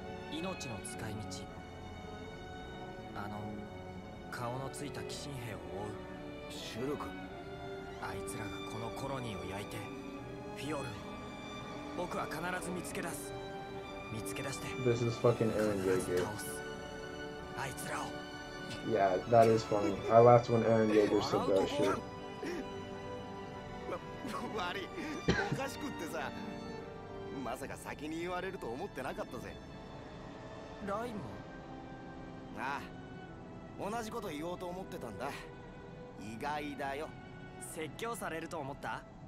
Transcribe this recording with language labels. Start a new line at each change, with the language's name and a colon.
Japanese: 命の使い道、あの顔のついた鬼神兵を追う。シュルク、あいつらがこのコロニーを焼いて、フィオルンを僕は必ず見つけ出す。見つけ出して、
English: This is fucking Eren Yeager.
Japanese: 倒す。あいつらを。
English: Yeah, that is funny. I laughed when Eren Yeager said that shit.
Japanese: マリ、おかしくってさ、まさか先に言われると思ってなかったぜ。ライム。ああ、同じこと言おうと思ってたんだ。意外だよ。説教されると思った？